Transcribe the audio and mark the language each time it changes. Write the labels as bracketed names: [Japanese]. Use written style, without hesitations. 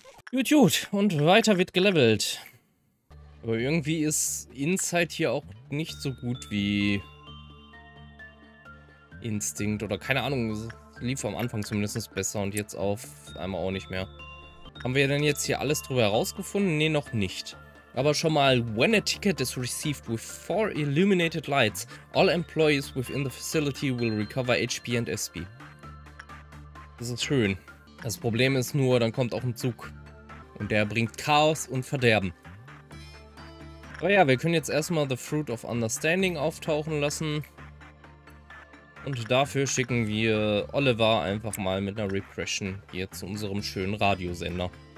[German] Gut, gut. Und weiter wird gelevelt. Aber irgendwie ist Insight hier auch nicht so gut wie Instinct oder keine Ahnung. Es lief am Anfang zumindest besser und jetzt auf einmal auch nicht mehr. Haben wir denn jetzt hier alles drüber herausgefunden? Nee, noch nicht. Aber schon mal, [English] when a ticket is received with 4 illuminated lights, all employees within the facility will recover HP and SP. [German] Das ist schön. Das Problem ist nur, dann kommt auch ein Zug. Und der bringt Chaos und Verderben. Aber ja, wir können jetzt erstmal The Fruit of Understanding auftauchen lassen. Und dafür schicken wir Oliver einfach mal mit einer Repression hier zu unserem schönen Radiosender.